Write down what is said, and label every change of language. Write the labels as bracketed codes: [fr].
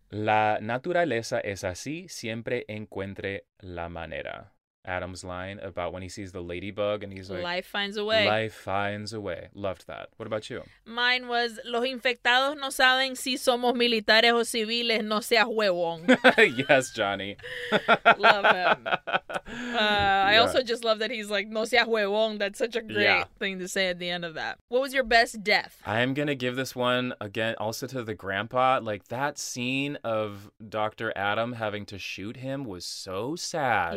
[es] La naturaleza es así, siempre encuentre la manera. [en] Adam's line about when he sees the ladybug and he's like, life finds a way. Life finds a way. Loved that. What about you? Mine was, [es] los infectados no saben si somos militares o civiles, no seas huevón. [en] Yes, Johnny. Love him. Yeah. I also just love that he's like, [es] no seas huevón. [en] That's such a great thing to say at the end of that. What was your best death? I'm going to give this one again also to the grandpa. Like, that scene of Dr. Adam having to shoot him was so sad.